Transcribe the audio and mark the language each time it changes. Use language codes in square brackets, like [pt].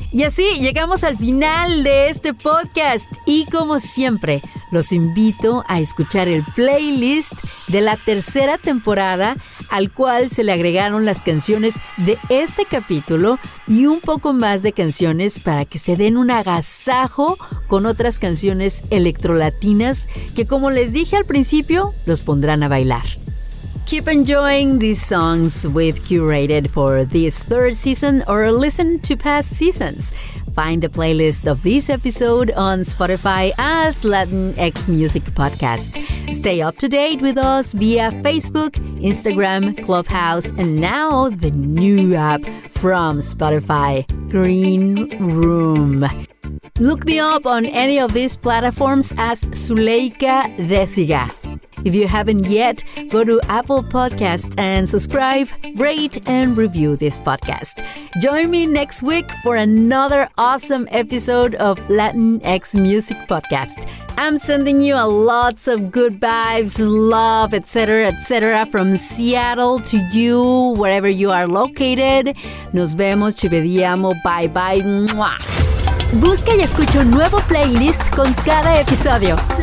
[es] Y así llegamos al final de este podcast. Y como siempre, los invito a escuchar el playlist de la tercera temporada, al cual se le agregaron las canciones de este capítulo y un poco más de canciones para que se den un agasajo con otras canciones electrolatinas que, como les dije al principio, los pondrán a bailar. [en] Keep enjoying these songs we've curated for this third season, or listen to past seasons. Find the playlist of this episode on Spotify as Latinx Music Podcast. Stay up to date with us via Facebook, Instagram, Clubhouse, and now the new app from Spotify, Green Room. Look me up on any of these platforms as Zuleika Desiga. If you haven't yet, go to Apple Podcasts and subscribe, rate, and review this podcast. Join me next week for another awesome episode of Latinx Music Podcast. I'm sending you a lots of good vibes, love, etc., etc., from Seattle to you, wherever you are located. [es] Nos vemos, chivediamo, [en] bye bye. [es] Mwah. Busca y escucha un nuevo playlist con cada episodio.